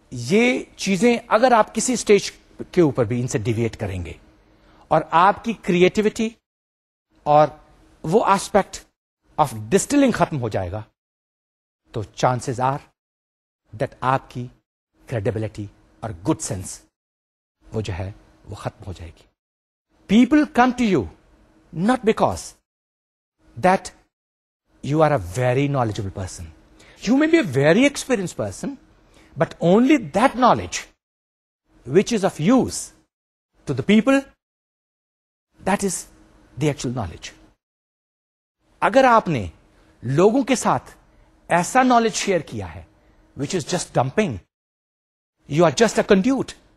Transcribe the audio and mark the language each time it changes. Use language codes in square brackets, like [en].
[ur] یہ چیزیں اگر آپ کسی اسٹیج کے اوپر بھی ان سے ڈیویٹ کریں گے اور آپ کی کریٹیوٹی اور وہ آسپیکٹ آف ڈسٹلنگ ختم ہو جائے گا تو چانسز آر دیٹ آپ کی کریڈیبلٹی اور گڈ سینس وہ جو ہے وہ ختم ہو جائے گی. [en] People come to you not because that you are a very knowledgeable person. You may be a very experienced person, but only that knowledge which is of use to the people, that is the actual knowledge. [ur] Agar aapne logon ke saath aisa knowledge share kiya hai, [en] which is just dumping, you are just a conduit.